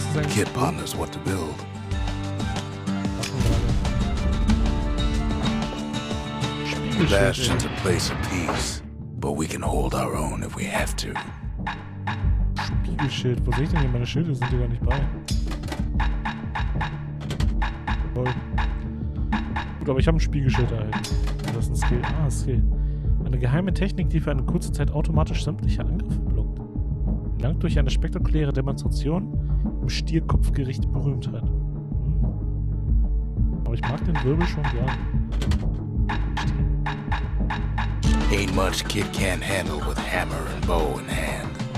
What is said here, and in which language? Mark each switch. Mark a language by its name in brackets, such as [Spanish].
[English] Kid ponders what to build. The Bastion's a place of peace. But we can hold our own if we have to. [German] Spiegelschild, wo sehe ich denn hier? Meine Schilde sind sogar nicht bei. Jawohl. Gut, aber ich habe ein Spiegelschild erhalten. Das ist ein Skill. Ah, Skill. Eine geheime Technik, die für eine kurze Zeit automatisch sämtliche Angriffe blockt. Dank durch eine spektakuläre Demonstration im Stierkopfgericht Berühmtheit. Aber ich mag den Wirbel schon gern. [English] Ain't much Kid can't handle with hammer and bow in hand.